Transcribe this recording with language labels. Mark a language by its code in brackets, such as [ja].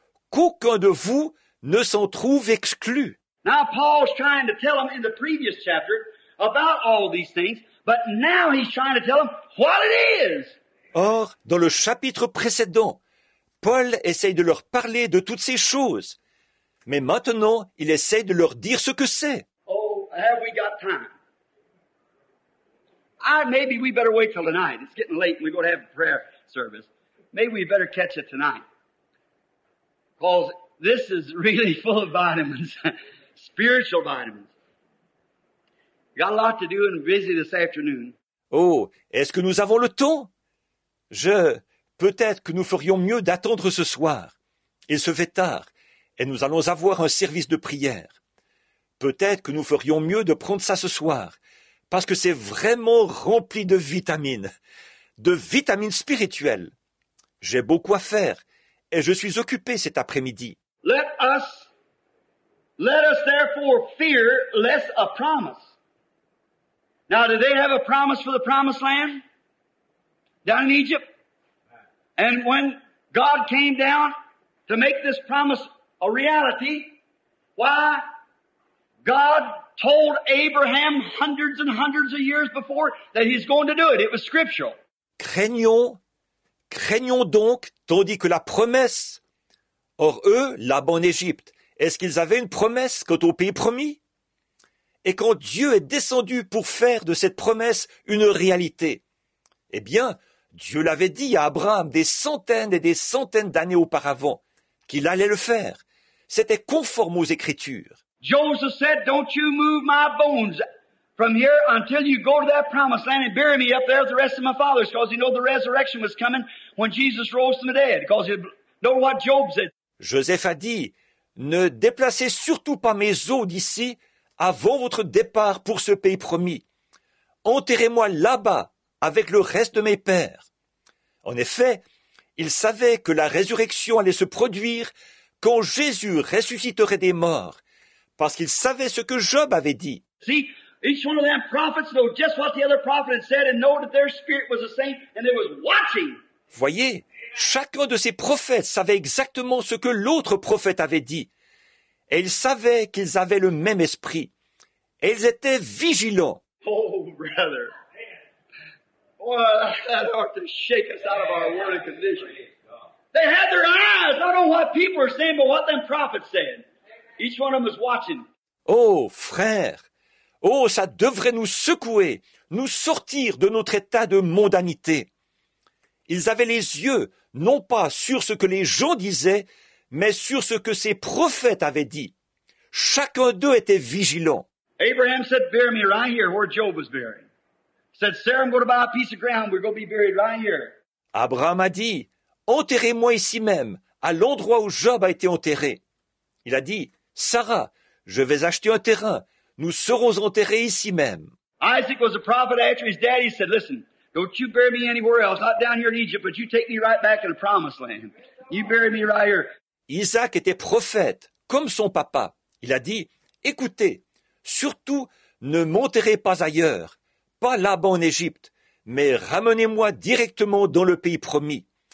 [fr] Qu'aucun de vous ne s'en trouve exclu. [en] Now Paul's trying to tell them in the previous chapter about all these things, but now he's trying to tell them what it is. [fr] Or, dans le chapitre précédent, Paul essaye de leur parler de toutes ces choses. Mais maintenant, il essaie de leur dire ce que c'est. [en] Oh, have we got time? Maybe we better wait till tonight. It's getting late and we're going to have a prayer service. Maybe we better catch it tonight. Because this is really full of vitamins, spiritual vitamins. Got a lot to do and busy this afternoon. [fr] Oh, est-ce que nous avons le temps? Peut-être que nous ferions mieux d'attendre ce soir. Il se fait tard. Et nous allons avoir un service de prière. Peut-être que nous ferions mieux de prendre ça ce soir, parce que c'est vraiment rempli de vitamines spirituelles. J'ai beaucoup à faire, et je suis occupé cet après-midi. [en] Let us therefore fear lest a promise. Now, did they have a promise for the promised land? Down in Egypt? And when God came down to make this promise a reality, why God told Abraham hundreds and hundreds of years before that he's going to do it. It was scriptural. [fr] Craignons donc, tandis que la promesse, or eux, là-bas en Égypte, est-ce qu'ils avaient une promesse quant au pays promis? Et quand Dieu est descendu pour faire de cette promesse une réalité, eh bien, Dieu l'avait dit à Abraham des centaines et des centaines d'années auparavant qu'il allait le faire. C'était conforme aux Écritures. [en] Joseph said, don't you move my bones from here until you go to that promised land and bury me up there with the rest of my fathers, because you know the resurrection was coming when Jesus rose from the dead, because you know what Job said. [fr] Joseph a dit, ne déplacez surtout pas mes os d'ici avant votre départ pour ce pays promis. Enterrez-moi là-bas avec le reste de mes pères. En effet, il savait que la résurrection allait se produire quand Jésus ressusciterait des morts, parce qu'il savait ce que Job avait dit. [en] See, each one of them prophets know just what the other prophet had said and know that their spirit was the same and they was watching. [fr] Voyez, Chacun de ces prophètes savait exactement ce que l'autre prophète avait dit. Et ils savaient qu'ils avaient le même esprit. Et ils étaient vigilants. [en] Oh, brother. Well, that ought to shake us out of our worldly condition. They had their eyes, not on what people are saying, but what them prophets said. Each one of them was watching. [fr] Oh, frère. Oh, ça devrait nous secouer, nous sortir de notre état de mondanité. Ils avaient les yeux, non pas sur ce que les gens disaient, mais sur ce que ces prophètes avaient dit. Chacun d'eux était vigilant. [en] Abraham said, bury me right here where Job was buried. Said, Sarah, I'm going to buy a piece of ground. We're going to be buried right here. [fr] Abraham a dit, enterrez-moi ici même, à l'endroit où Job a été enterré. Il a dit, Sarah, je vais acheter un terrain. Nous serons enterrés ici même. [en] Isaac was a prophet after his daddy said, listen, don't you bury me anywhere else, not down here in Egypt, but you take me right back in the promised land. You bury me right here. [fr] Isaac était prophète, comme son papa. Il a dit, écoutez, surtout ne m'enterrez pas ailleurs, pas là-bas en Égypte, mais ramenez-moi directement dans le pays promis.